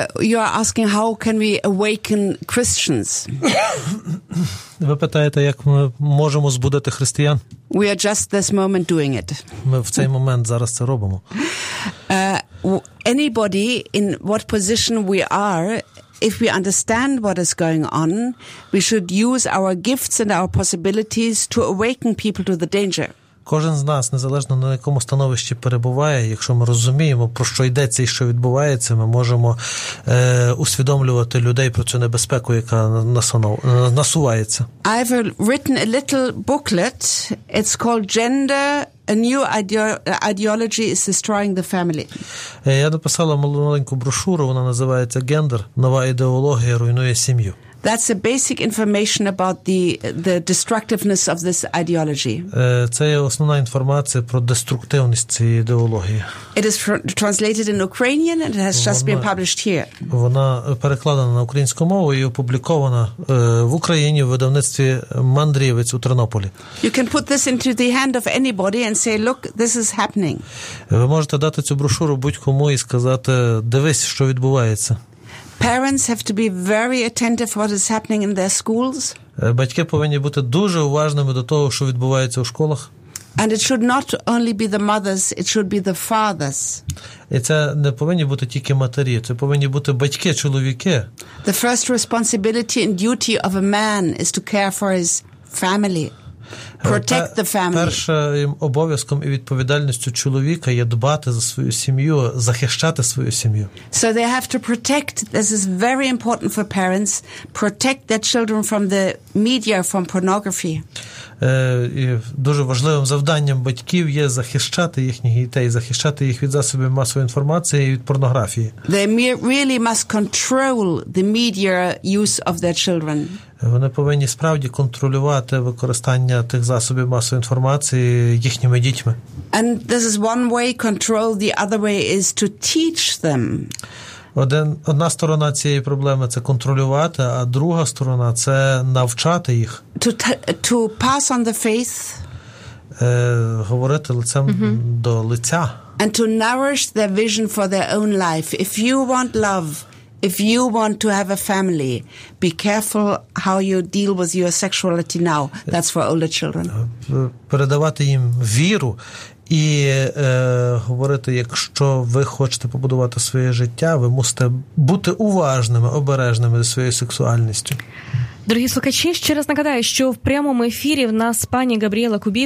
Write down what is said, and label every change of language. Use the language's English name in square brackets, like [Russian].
[English] You are asking how can we awaken Christians? [Ukrainian] Ви питаєте, як ми можемо збудити християн? [English] We are just this moment doing it. [Ukrainian] Ми в цей момент зараз це робимо. [English] Anybody in what position we are, if we understand what is going on, we should use our gifts and our possibilities to awaken people to the danger. [Ukrainian] Кожен з нас, незалежно на якому становищі перебуває, якщо ми розуміємо, про що йдеться і що відбувається, ми можемо усвідомлювати людей про цю небезпеку, яка насувається. [English] I've written a little booklet. It's called Gender, a New Ideology is Destroying the Family. [Ukrainian] Я написала маленьку брошуру, вона називається «Гендер. Нова ідеологія руйнує сім'ю». [English] That's a basic information about the destructiveness of this ideology. [Ukrainian] Це є основна інформація про деструктивність цієї ідеології. [English] It is translated in Ukrainian and it has just been published here. [Ukrainian] Вона перекладена на українську мову і опублікована в Україні в видавництві Мандрівець у Тернополі. [English] You can put this into the hand of anybody and say, look, this is happening. [Ukrainian] Ви можете дати цю брошуру будь-кому і сказати: дивись, що відбувається. [English] Parents have to be very attentive to what is happening in their schools. [Ukrainian] Батьки повинні бути дуже уважними до того, що відбувається у школах. [English] And it should not only be the mothers, it should be the fathers. [Ukrainian] І це не повинні бути тільки матері, це повинні бути батьки, чоловіки. [English] The first responsibility and duty of a man is to care for his family. Protect the family. [Ukrainian] Першим обов'язком і відповідальністю чоловіка є дбати за свою сім'ю, захищати свою сім'ю. [English] So they have to protect. This is very important for parents. Protect their children from the media, from pornography. [Ukrainian] І дуже важливим завданням батьків є захищати їхніх дітей, захищати їх від засобів масової інформації і від порнографії. [English] They really must control the media use of their children. [Ukrainian] Вони повинні справді контролювати використання тих засобів масової інформації їхніми дітьми. [English] And this is one way control, the other way is to teach them. [Ukrainian] Одна сторона цієї проблеми – це контролювати, а друга сторона – це навчати їх. [English] To pass on the faith. [Ukrainian] Говорити лицем до лиця. [English] And to nourish their vision for their own life. If you want love, if you want to have a family, be careful how you deal with your sexuality now. That's for older children. [Ukrainian] Передавати їм віру. І говорити, якщо ви хочете побудувати своє життя, ви мусите бути уважними, обережними зі своєю сексуальністю. Дорогі слухачі, ще раз нагадаю, що в прямому ефірі в нас пані Габріела Кубі.